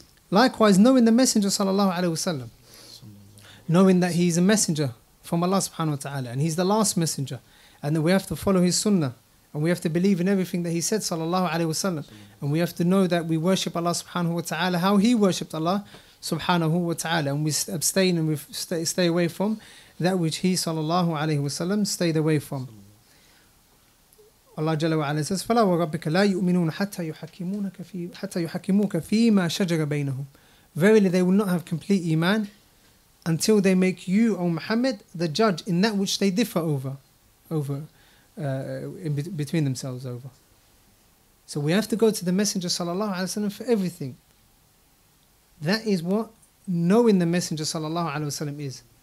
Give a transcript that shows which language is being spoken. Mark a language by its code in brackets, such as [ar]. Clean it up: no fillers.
[en] Likewise, knowing the Messenger sallallahu alayhi wa sallam, knowing that he's a messenger from Allah subhanahu wa ta'ala, and he's the last messenger, and that we have to follow his sunnah, and we have to believe in everything that he said sallallahu alayhi wa sallam, and we have to know that we worship Allah subhanahu wa ta'ala how he worshipped Allah subhanahu wa ta'ala, and we abstain and we stay away from that which he sallallahu alayhi wa sallam stayed away from. Allah jalla wa ala says, [ar] فَلَا وَرَبِّكَ لَا يُؤْمِنُونَ حَتَّى يُحَكِّمُوكَ فِي مَا شَجَرَ بَيْنَهُمْ. [en] Verily they will not have complete iman until they make you, O Muhammad, the judge in that which they differ between themselves over. So we have to go to the Messenger sallallahu alayhi wa sallam for everything. That is what knowing the Messenger sallallahu alayhi wa sallam is.